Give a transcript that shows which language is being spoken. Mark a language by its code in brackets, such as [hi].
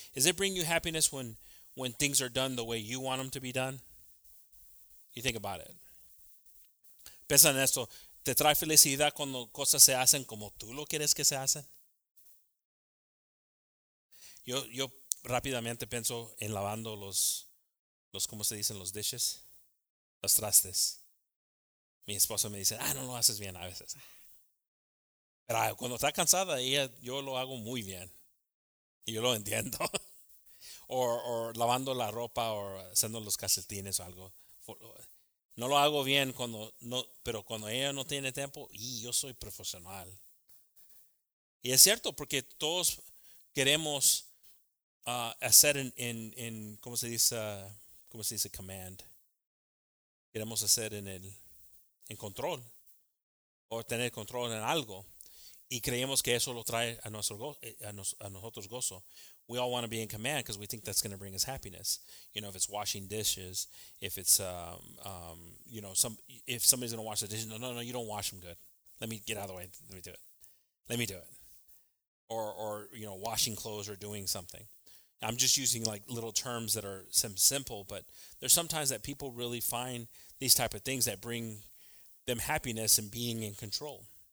[en] Does it bring you happiness when things are done the way you want them to be done? You think about it. [es] Piensa en esto. ¿Te trae felicidad cuando cosas se hacen como tú lo quieres que se hacen? Yo rápidamente pienso en lavando los ¿cómo se dicen? Los dishes, los trastes. Mi esposa me dice, no lo haces bien a veces. Pero cuando está cansada, yo lo hago muy bien. Y yo lo entiendo. Or lavando la ropa o haciendo los calcetines o algo. No lo hago bien cuando, no, pero cuando ella no tiene tiempo, yo soy profesional. Y es cierto, porque todos queremos hacer en ¿cómo se dice? Command. Queremos hacer en control, o tener control en algo, y creemos que eso lo trae a nosotros gozo. [en] We all want to be in command because we think that's going to bring us happiness. You know, if it's washing dishes, if it's, you know, if somebody's going to wash the dishes, no, you don't wash them good. Let me get out of the way. Let me do it. Or you know, washing clothes or doing something. I'm just using like little terms that are simple, but there's sometimes that people really find these type of things that bring them happiness and being in control.